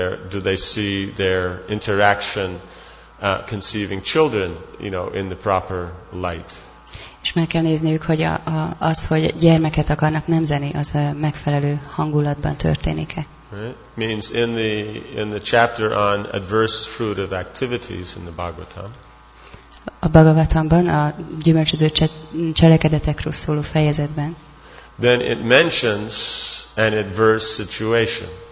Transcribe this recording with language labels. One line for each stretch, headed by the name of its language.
English: Do they see their interaction conceiving children, you know, in the proper light?
Hungarian: És meg kell nézniük, hogy az, hogy gyermeket akarnak nemzeni, az megfelelő hangulatban történik-e.
English: Right? Means in the chapter on adverse fruit of activities in the Bhagavatam.
Hungarian: a Bhagavatamban, a gyümölcsöző cselekedetekről szóló fejezetben.
English: Then it mentions an adverse situation.